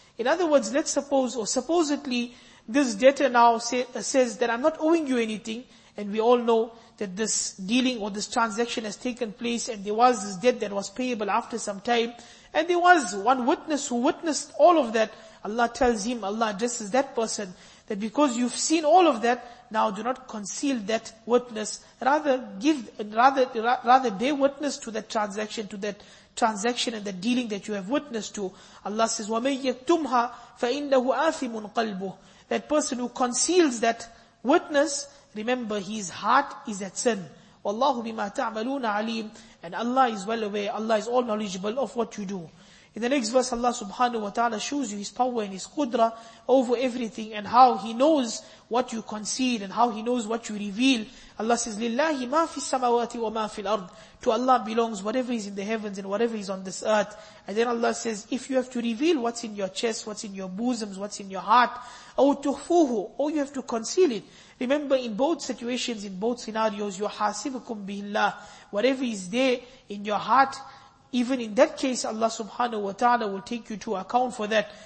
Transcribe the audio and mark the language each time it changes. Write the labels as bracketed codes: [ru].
[en] In other words, let's suppose, or supposedly, this debtor now says that I'm not owing you anything, and we all know that this dealing or this transaction has taken place, and there was this debt that was payable after some time, and there was one witness who witnessed all of that. Allah tells him, Allah addresses that person, that because you've seen all of that, now do not conceal that witness. Rather bear witness to that transaction, and the dealing that you have witnessed to. [ar] Allah says, وَمَنْ يَكْتُمْهَا فَإِنَّهُ آثِمٌ قَلْبُهُ. [en] That person who conceals that witness, remember, his heart is at sin. [ar] وَاللَّهُ بِمَا تَعْمَلُونَ عَلِيمٌ. [en] And Allah is well aware, Allah is all knowledgeable of what you do. In the next verse, Allah subhanahu wa ta'ala shows you His power and His qudra over everything, and how He knows what you conceal and how He knows what you reveal. [ar] Allah says, لِلَّهِ مَا فِي السَّمَوَاتِ وَمَا فِي الْأَرْضِ. [en] To Allah belongs whatever is in the heavens and whatever is on this earth. And then Allah says, if you have to reveal what's in your chest, what's in your bosoms, what's in your heart, [ar] أَوْ تُخْفُوهُ, [en] or you have to conceal it. Remember, in both situations, in both scenarios, [ar] يُحَاسِبُكُمْ بِهِ اللَّهِ. [en] Whatever is there in your heart, even in that case, Allah subhanahu wa ta'ala will take you to account for that.